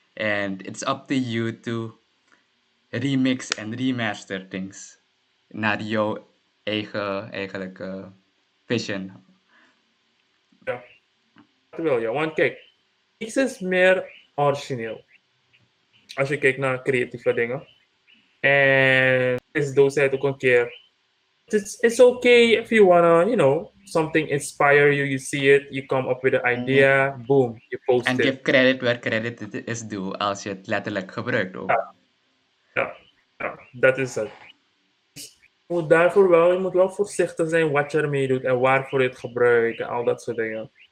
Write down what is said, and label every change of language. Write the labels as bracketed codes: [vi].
[en] And it's up to you to remix and remaster things [nl] naar jouw eigenlijke vision. Ja, dat wil je. Want kijk, iets is meer origineel. Als je kijkt naar creatieve dingen. En is doos het ook een keer. [en] It's okay if you wanna, you know, something inspire you, you see it, you come up with an idea, boom, you post and it. And give credit where credit is due, [nl] als je het letterlijk gebruikt ook. Ja, dat is het. Je moet daarvoor wel, je moet wel voorzichtig zijn wat je ermee doet en waarvoor je het gebruikt en al dat soort dingen.